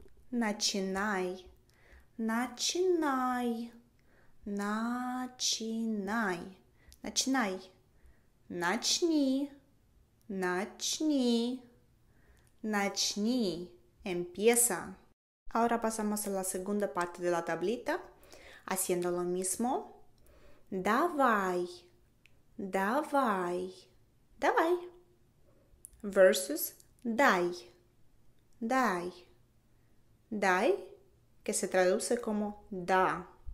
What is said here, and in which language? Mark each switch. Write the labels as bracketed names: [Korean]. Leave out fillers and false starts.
[Russian] Начинай, начинай, начинай, начинай, начни, начни, начни, [Spanish] empieza. Ahora pasamos a la segunda parte de la tablita, haciendo lo mismo. [Russian] Давай, давай, давай. Versus дай, дай. Дай, [Spanish] que se traduce como da.